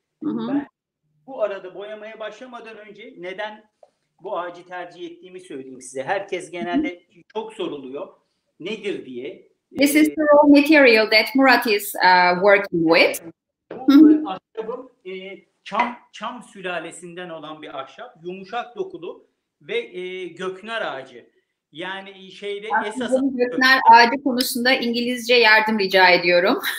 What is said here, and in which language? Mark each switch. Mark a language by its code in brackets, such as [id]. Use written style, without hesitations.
[tr] Ben bu arada boyamaya başlamadan önce neden bu ağacı tercih ettiğimi söyleyeyim size. Herkes genelde çok soruluyor. Nedir diye. [en] This is the raw material that Murat is working with. [tr] Ahşabım çam sülalesinden olan bir ahşap, yumuşak dokulu ve göknar ağacı. Yani şeyde esasında göknar ağacı konusunda İngilizce yardım rica ediyorum.